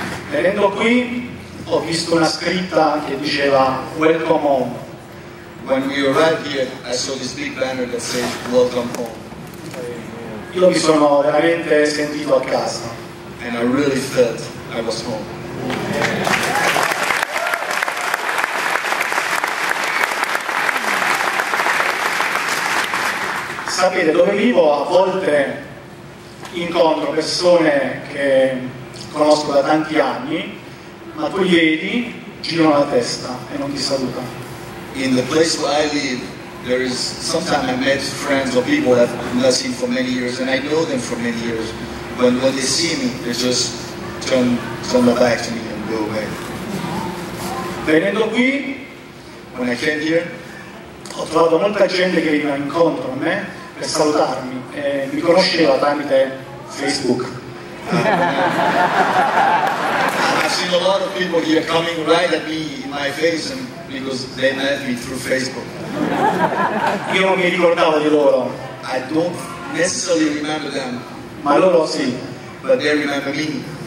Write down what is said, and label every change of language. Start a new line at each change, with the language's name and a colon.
Italian: Venendo qui, ho visto una scritta che diceva
English: "Welcome home". When we arrived here, I saw this big banner that says "Welcome home".
Italian: Io mi sono veramente sentito a casa.
English: And I really felt I was home.
Italian: Sapete, dove vivo a volte incontro persone che conosco da tanti anni, ma tu li vedi, girano la testa e non ti salutano.
English: In the place where I live, there is sometimes I met friends or people that I've not seen for many years, and I know them for many years. But when they see me, they just turn their back to me and go away.
Italian: Venendo qui,
English: when I came here,
Italian: ho trovato molta gente che veniva incontro a me per salutarmi e mi conosceva tramite Facebook.
English: I've seen a lot of people here coming right at me in my face and because they met me through Facebook.
Italian: Io non mi ricordavo di loro.
English: I don't necessarily remember them.
Italian: Ma loro sì.
English: But they remember me.